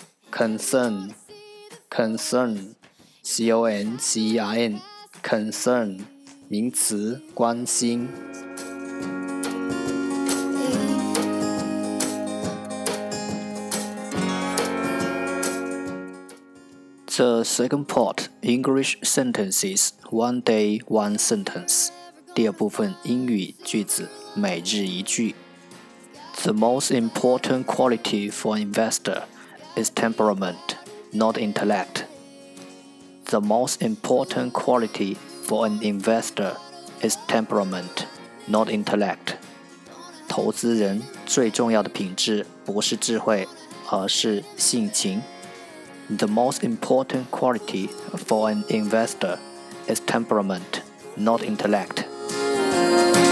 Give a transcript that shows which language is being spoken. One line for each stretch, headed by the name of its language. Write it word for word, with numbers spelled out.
English: Concern, concern, C O N C E R N, concern,
Chinese: 名词，关心。
English: The second part, English sentences, one day, one sentence.
Chinese: 第二部分，英语句子，每日一句。
English: The most important quality for an investor. Is temperament, not intellect. The most important quality for an investor is temperament, not intellect.
Chinese: 投资人最重要的品质不是智慧，而是性情。
English: The most important quality for an investor is temperament, not intellect.